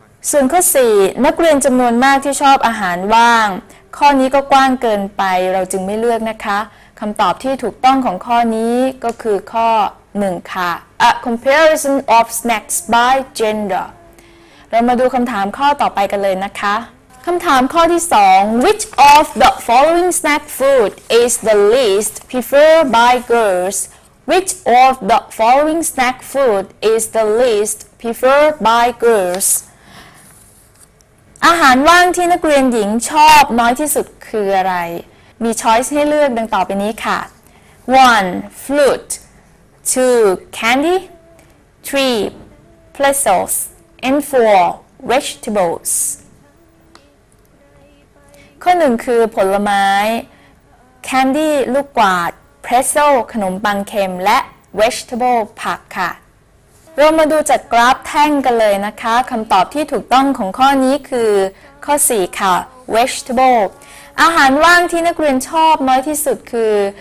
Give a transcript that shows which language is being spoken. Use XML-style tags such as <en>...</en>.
<th>ส่วนข้อ4นักเรียนจำนวนมากที่ชอบอาหารว่างข้อนี้ก็กว้างเกินไปเราจึงไม่เลือกนะคะคำตอบที่ถูกต้องของข้อนี้ก็คือข้อ1ค่ะ</th> <en>A comparison of snacks by gender</en> <th>เรามาดูคำถามข้อต่อไปกันเลยนะคะคำถามข้อที่2</th> <en>Which of the following snack food is the least preferred by girls? Which of the following snack food is the least preferred by girls?</en> <th>อาหารว่างที่นักเรียนหญิงชอบน้อยที่สุดคืออะไรมีช้อยส์ให้เลือกดังต่อไปนี้ค่ะ 1.</th> <en>Fruit 2. Candy 3. Pretzels and 4. Vegetables</en> <th>ข้อ1คือผลไม้แคนดี้ลูกกวาดเพรสเซลขนมปังเค็มและเวชเทเบิลผักค่ะเรามาดูจากกราฟแท่งกันเลยนะคะคำตอบที่ถูกต้องของข้อนี้คือข้อ4ค่ะเวชเทเบิลอาหารว่างที่นักเรียนชอบน้อยที่สุดคือ</th>